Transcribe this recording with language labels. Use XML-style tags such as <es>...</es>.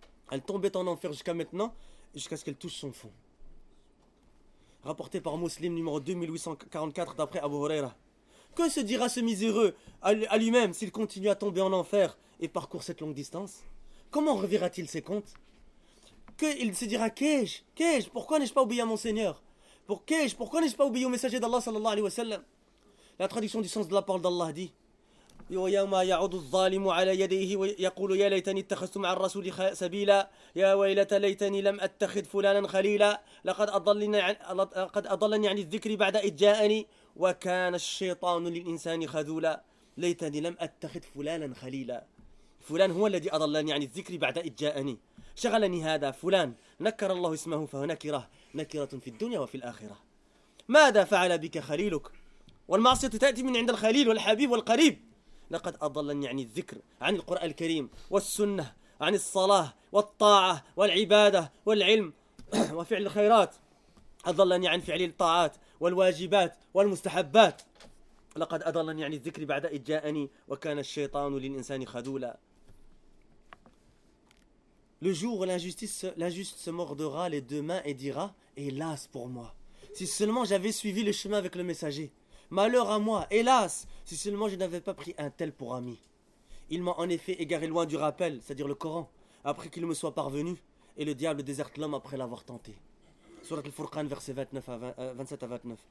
<fr>Elle tombait en enfer jusqu'à maintenant, jusqu'à ce qu'elle touche son fond. Rapporté par Muslim numéro 2844 d'après Abu Huraira. Que se dira ce miséreux à lui-même s'il continue à tomber en enfer et parcourt cette longue distance? Comment revira-t-il ses comptes? Il se dira, qu'ai-je? Pourquoi n'ai-je pas obéi à mon Seigneur? Pourquoi n'ai-je pas obéi au messager d'Allah sallallahu alayhi wa sallam? La traduction du sens de la parole d'Allah dit</fr> <ar>وَيَوْمَا يَعُدُ الظَّالِمُ عَلَى يَدَيْهِ وَيَقُولُ يَا لَيْتَنِي اتَّخَذْتُ مَعَ الرَّسُولِ سَبِيلًا يَا وَيْلَتَ لَيْتَنِي لَمْ أَتَّخِذْ فُلَانًا خَلِيلًا لَقَدْ أَضَلَّنِي عَنِ الذِّكْرِ بَعْدَ إِذْ جَاءَنِي وَكَانَ الشَّيْطَانُ لِلْإِنْسَانِ خَذُولًا لَيْتَنِي لَمْ أَتَّخِذْ فُلَانًا خَلِيلًا. فلان هو الذي أضلني عن الذكر بعد إذ جاءني، شغلني هذا فلان، نكر الله اسمه فهو نكرة، نكرة في الدنيا وفي الآخرة. ماذا فعل بك خليلك؟ والمعصية تأتي من عند الخليل والحبيب والقريب. لقد أضلني عن الذكر، عن القرآن الكريم والسنة، عن الصلاة والطاعة والعبادة والعلم وفعل الخيرات، أضلني عن فعل الطاعات والواجبات والمستحبات. لقد أضلني عن الذكر بعد إذ جاءني وكان الشيطان للإنسان خذولا.</ar> <fr>Le jour où l'injuste se mordra les deux mains et dira « Hélas pour moi, si seulement j'avais suivi le chemin avec le messager. Malheur à moi, hélas, si seulement je n'avais pas pris un tel pour ami. Il m'a en effet égaré loin du rappel, c'est-à-dire le Coran, après qu'il me soit parvenu, et le diable déserte l'homme après l'avoir tenté. » Sourate Al-Furqan, versets 27 à 29.</fr>